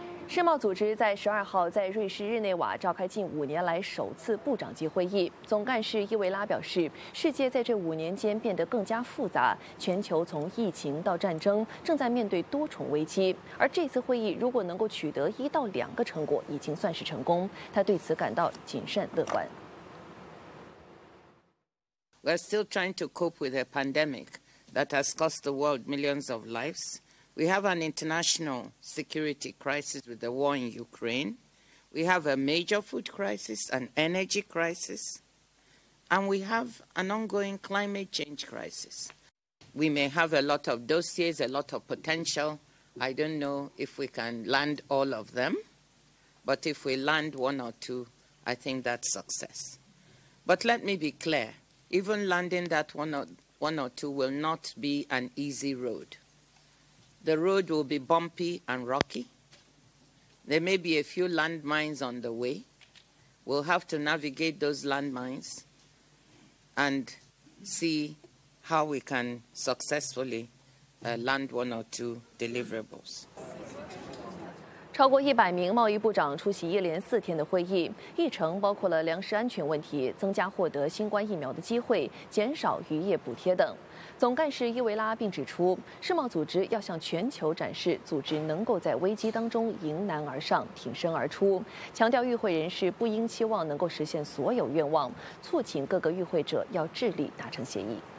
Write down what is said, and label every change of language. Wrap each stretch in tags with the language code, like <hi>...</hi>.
<zh>世贸组织在12号在瑞士日内瓦召开近5年来首次部长级会议。总干事伊维拉表示，世界在这5年间变得更加复杂，全球从疫情到战争正在面对多重危机。而这次会议如果能够取得1到2个成果，已经算是成功。他对此感到谨慎乐观。</zh> <en>We're still trying to cope with a pandemic that has cost the world millions of lives. We have an international security crisis with the war in Ukraine. We have a major food crisis, an energy crisis, and we have an ongoing climate change crisis. We may have a lot of dossiers, a lot of potential. I don't know if we can land all of them, but if we land 1 or 2, I think that's success. But let me be clear, even landing that one or, one or two will not be an easy road. The road will be bumpy and rocky. There may be a few landmines on the way. We'll have to navigate those landmines and see how we can successfully land one or two deliverables.</en> <zh>超过100名贸易部长出席一连四天的会议，议程包括了粮食安全问题、增加获得新冠疫苗的机会、减少渔业补贴等。总干事伊维拉并指出，世贸组织要向全球展示组织能够在危机当中迎难而上、挺身而出，强调与会人士不应期望能够实现所有愿望，促请各个与会者要致力达成协议。</zh>